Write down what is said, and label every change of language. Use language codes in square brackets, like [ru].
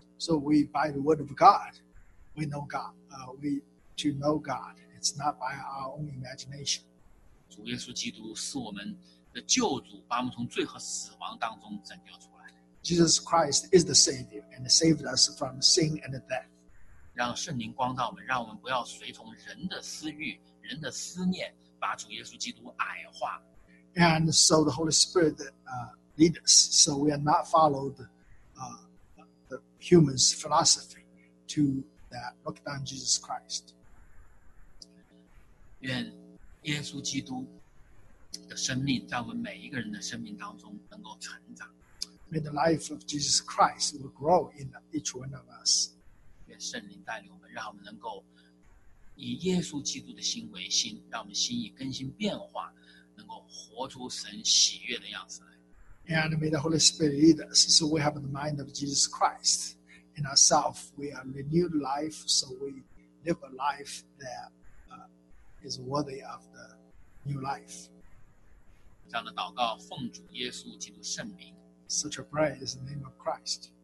[en] So we by the word of God, we know God. We to know God. It's not by our own imagination. [zh] 主耶稣基督是我们的救主，把我们从罪和死亡当中拯救出来。 [en] Jesus Christ is the Savior and saved us from sin and death. [zh] 让圣灵光照我们，让我们不要随从人的私欲、人的思念，把主耶稣基督矮化。 [en] And so the Holy Spirit lead us, so we are not followed the human's philosophy to that look down Jesus Christ. [zh] 愿耶稣基督的生命在我们每一个人的生命当中能够成长。 [en] May the life of Jesus Christ will grow in each one of us. [zh] 愿圣灵带领我们，让我们能够以耶稣基督的心为心，让我们心意更新变化。 [en] And may the Holy Spirit lead us so we have the mind of Jesus Christ in ourselves. We are renewed life, so we live a life that is worthy of the new life. [zh] 这样的祷告奉主耶稣基督圣名。 [en] Such a prayer is the name of Christ.